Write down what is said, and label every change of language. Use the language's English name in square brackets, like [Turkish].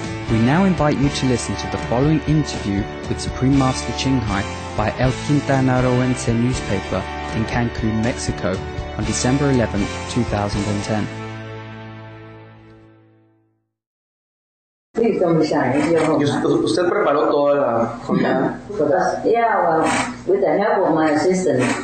[English] We now invite you to listen to the following interview with Supreme Master Qinghai by El Quintanarroense newspaper in Cancun, Mexico on December 11, 2010. [Spanish] Listo, Michelle. Usted preparó toda la comida. [English] Yeah, well, with the help of my assistant.